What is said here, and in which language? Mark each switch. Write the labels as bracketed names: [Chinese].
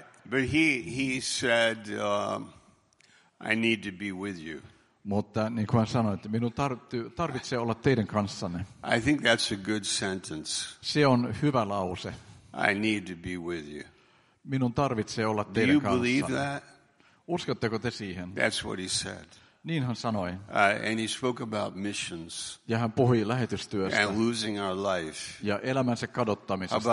[English] But he said, I need to be with you. [Finnish] Mutta niin kuin hän sanoi, että minun tarvitsee olla teidän kanssanne. [English] I think that's a good sentence. [Finnish] Se on hyvä lause. [English] I need to be with you. [Finnish] Minun tarvitsee olla teidän kanssanne. [English] Do you believe that? [Finnish] Uskotteko te siihen? [English] That's what he said. [Finnish] Niin hän sanoi. [English] And he spoke about missions. [Finnish] Ja hän puhui lähetystyöstä. [English] And losing our life. [Finnish] Ja elämänsä kadottamisesta.